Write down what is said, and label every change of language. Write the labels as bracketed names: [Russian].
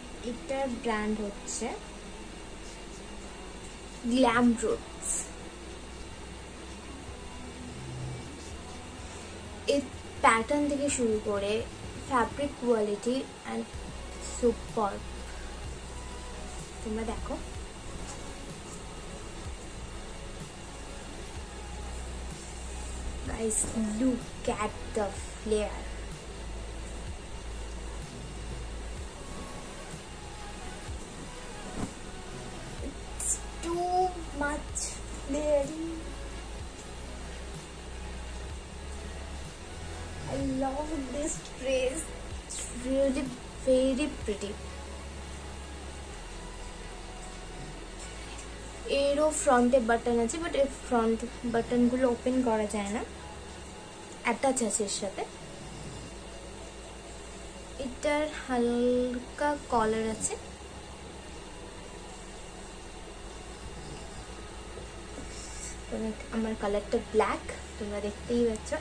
[Bangla] এটার ব্র্যান্ড হচ্ছে গ্ল্যাম রোটস। এর প্যাটার্ন থেকে শুরু করে ফ্যাব্রিক কোয়ালিটি অ্যান্ড সুপার। তোমরা দেখো [English] guys, look at the flare, it's too much flare, I love this dress, it's really very pretty. [Bangla] এরও ফ্রন্টে বাটন আছে, বাট এর ফ্রন্ট বাটনগুলো ওপেন করা যায় না, অ্যাটাচ আছে এর সাথে। এটার হালকা কলার আছে, আমার কালারটা ব্ল্যাক, তোমরা দেখতেই পাচ্ছ।